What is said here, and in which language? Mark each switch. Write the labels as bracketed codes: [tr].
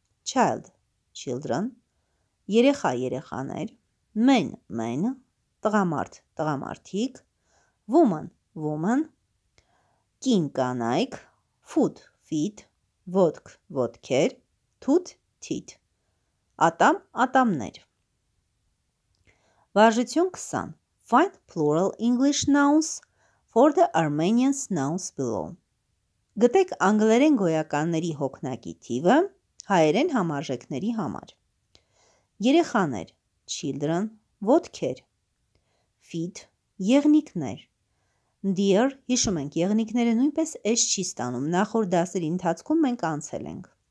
[hy] Child, children, երեխա, երեխաներ, men, men, տղամարդ, տղամարդիկ, woman, woman, կին, կանայք, foot, feet, ոտք, ոտքեր, tooth, teeth, ատամ, ատամներ։ Վարժություն 20. [en] Find plural English nouns for the Armenian nouns below. [hy] Գտեք անգլերեն գոյականների հոգնակի թիվը հայերեն համարժեքների համար։ Երեխաներ, children, ոտքեր, feet, եղնիկներ, deer, հիշում ենք, եղնիկները նույնպես էս չի ստանում, նախոր դասերի ընթացքում մենք անցել ենք,